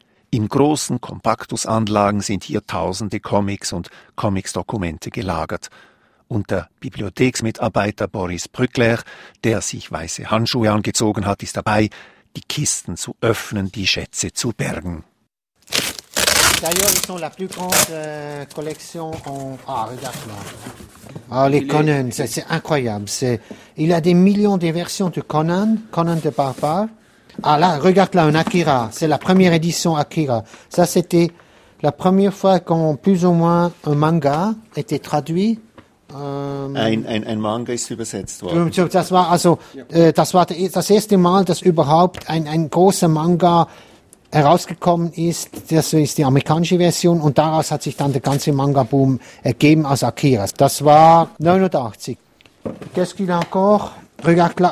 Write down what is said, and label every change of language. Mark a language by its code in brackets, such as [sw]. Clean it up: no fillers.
[de] In großen Kompaktusanlagen sind hier tausende Comics und Comicsdokumente gelagert. Und der Bibliotheksmitarbeiter Boris Brückler, der sich weiße Handschuhe angezogen hat, ist dabei, die Kisten zu öffnen, die Schätze zu bergen. [fr] D'ailleurs, ils sont la plus grande collection en. Ah, regarde là. Ah, les Conan, c'est incroyable. Il a des millions de versions de Conan, Conan de Barbare. Ah là, regarde là, un Akira. C'est la première édition Akira. Ça, c'était la première fois qu'on plus ou moins un manga était traduit. [de] Ein Manga ist übersetzt worden. Das war also das erste Mal, dass überhaupt ein großer Manga herausgekommen ist. Das ist die amerikanische Version und daraus hat sich dann der ganze Manga-Boom ergeben als Akira. Das war 89. [fr] Qu'est-ce qu'il y a encore? Regarde là.